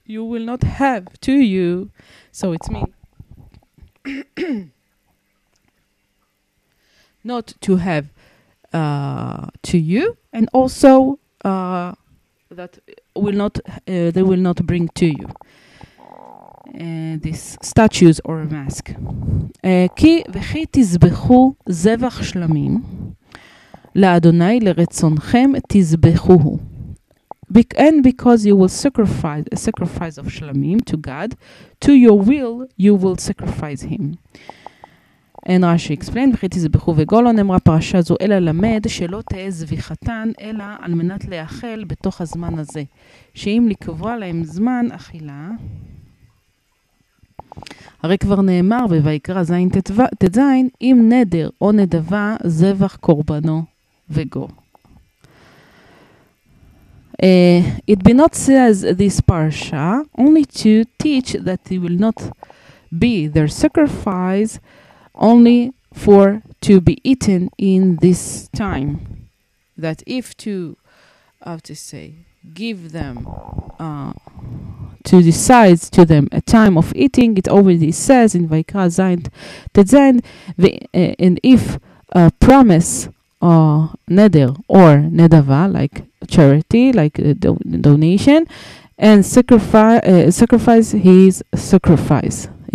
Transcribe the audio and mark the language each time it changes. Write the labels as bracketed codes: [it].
[en] You will not have to you. So it's me. Not to have to you, and also that will not. They will not bring to you. This statues or a mask. [he] כי וכי תזבחו זבח שלמים לאדוני לרצונכם תזבחוהו. [en] And because you will sacrifice a sacrifice of שלמים to God, to your will you will sacrifice him. And Rashi explained, [he] וכי תזבחו וגולו, נאמרה פרשה זו אלא למד שלא תהיה זביחתן אלא על מנת לאכל בתוך הזמן הזה. שאם לקבוע להם זמן אכילה, הרי כבר נאמר בויקרא זין תזין, אם נדר או נדבה זבח קורבנו וגו. [en] It be not says this parsha only to teach that it will not be their sacrifice only for to be eaten in this time. That if to, how to say, give them to decide to them a time of eating, it already says in Vayikra Zayin Tetzayin, and if a promise or neder or nedava, like charity, like a donation, and sacrifice.